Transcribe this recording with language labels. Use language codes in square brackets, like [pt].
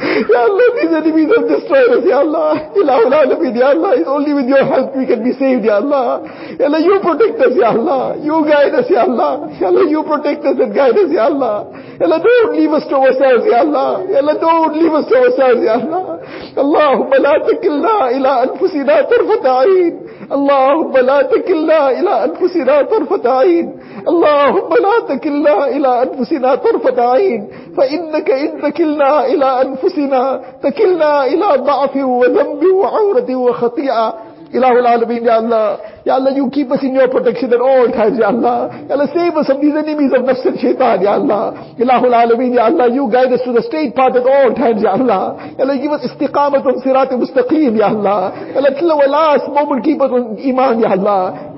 [en] Ya Allah, these enemies have destroyed us, Ya Allah. Ilahul Alameen, Ya Allah. It's only with your help we can be saved, Ya Allah. Ya Allah, you protect us, Ya Allah. You guide us, Ya Allah. Ya Allah, you protect us and guide us, Ya Allah. Ya Allah, don't leave us to ourselves, Ya Allah. Ya Allah, don't leave us to ourselves, Ya Allah. [ar] اللهم لا تكلنا إلى أنفسنا طرفة عين اللهم لا تكلنا إلى أنفسنا طرفة عين اللهم لا تكلنا إلى أنفسنا طرفة عين فإنك إن تكلنا إلى أنفسنا تكلنا إلى ضعف وذنب وعورة وخطيئة Ilahul Alameen, Ya Allah. [en] Ya Allah, you keep us in your protection at all times, Ya Allah. Ya Allah, save us from these enemies of nafs and shaitan, Ya Allah. Ilahul Alameen, Ya Allah, you guide us to the straight path at all times, Ya Allah. Ya Allah, give us istiqamat on sirat mustaqim, Ya Allah. Ya Allah, till our last moment, keep us on iman, Ya Allah.